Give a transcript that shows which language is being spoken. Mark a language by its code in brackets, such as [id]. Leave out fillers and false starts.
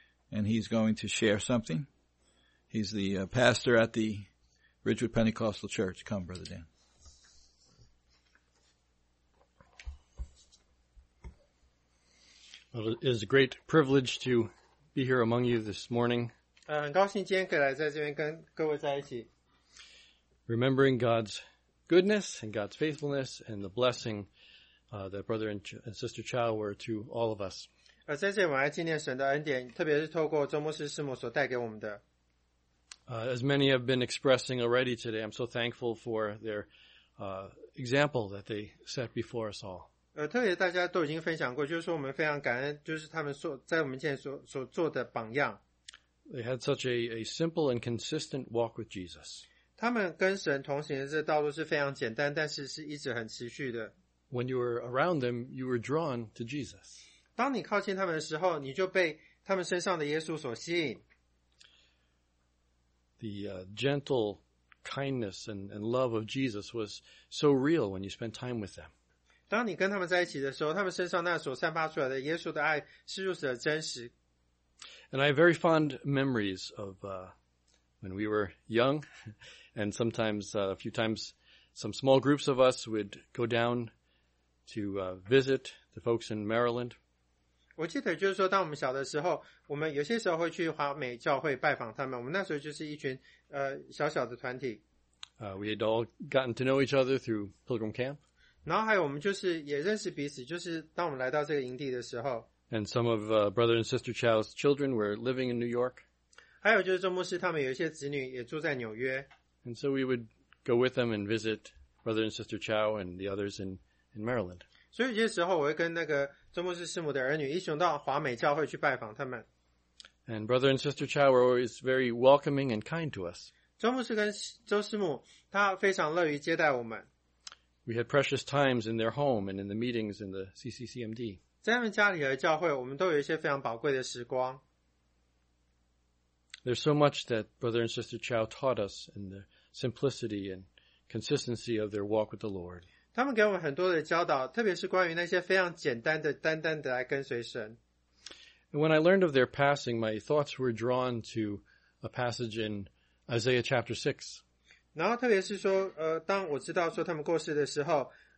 [en] And he's going to share something. He's the pastor at the Ridgewood Pentecostal Church. Come, Brother Dan. Well, it is a great privilege to be here among you this morning. [zh] 很高兴今天可以来在这边跟各位在一起。 [en] Remembering God's goodness and God's faithfulness and the blessing that Brother and Sister Chow were to all of us. [zh] 在这里我们来纪念神的恩典，特别是透过周牧师师母所带给我们的。 [en] As many have been expressing already today, I'm so thankful for their example that they set before us all. [zh] 特别大家都已经分享过，就是说我们非常感恩，就是他们所在我们面前所做的榜样。 [en] They had such a simple and consistent walk with Jesus. [zh] 他们跟神同行的这道路是非常简单，但是是一直很持续的。 [en] When you were around them, you were drawn to Jesus. [zh] 当你靠近他们的时候，你就被他们身上的耶稣所吸引。 [en] The gentle kindness and love of Jesus was so real when you spent time with them. [zh] 当你跟他们在一起的时候，他们身上那所散发出来的耶稣的爱是如此的真实。 [en] And I have very fond memories of when we were young, and sometimes a few times some small groups of us would go down to visit the folks in Maryland. [zh] 我记得就是说，当我们小的时候，我们有些时候会去华美教会拜访他们。我们那时候就是一群小小的团体。 [en] We had all gotten to know each other through Pilgrim Camp. [zh] 然后还有我们就是也认识彼此，就是当我们来到这个营地的时候。 [en] And some of Brother and Sister Chow's children were living in New York. [zh] 还有就是周牧师他们有一些子女也住在纽约。 [en] And so we would go with them and visit Brother and Sister Chow and the others in Maryland. [zh] 所以有些时候我会跟那个周牧师师母的儿女一起到华美教会去拜访他们。 [en] And Brother and Sister Chow were always very welcoming and kind to us. [zh] 周牧师跟周师母他非常乐于接待我们。 [en] We had precious times in their home and in the meetings in the CCCMD. [zh] 在他们家里和教会，我们都有一些非常宝贵的时光。 [en] There's so much that Brother and Sister Chow taught us in the simplicity and consistency of their walk with the Lord. [zh] 他们给我们很多的教导，特别是关于那些非常简单的、单单的来跟随神。 [en] And when I learned of their passing, my thoughts were drawn to a passage in Isaiah chapter 6. [zh] 然后特别是说，当我知道说他们过世的时候，